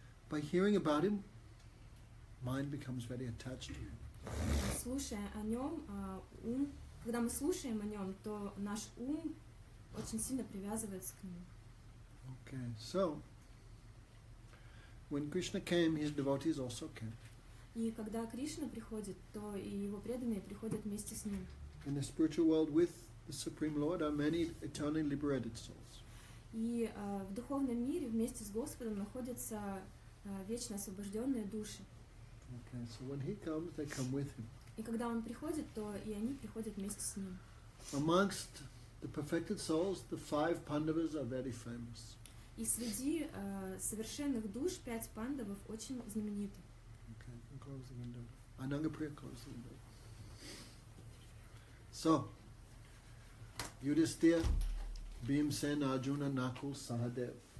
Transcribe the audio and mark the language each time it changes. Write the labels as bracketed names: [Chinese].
[English] By hearing about him, mind becomes very attached to him. [Russian] Слушая о нем, ум, когда мы слушаем о нем, то наш ум очень сильно привязывается к нему. [English] Okay, so when Krishna came, his devotees also came. [Russian] И когда Кришна приходит, то и его преданные приходят вместе с ним. [English] In the spiritual world with the Supreme Lord are many eternally liberated souls. [Russian] И в духовном мире вместе с Господом находятся вечно освобожденные души. [English] Okay, so when he comes, they come with him. [Russian] И когда он приходит, то и они приходят вместе с ним. [English] Amongst the perfected souls, the five Pandavas are very famous. [Russian] И среди совершенных душ пять пандавов очень знамениты. [English] Close the window. Anangapriya, close the window. So, Yudhishthira, Bhimsen, Arjuna, Nakula, Sahadeva.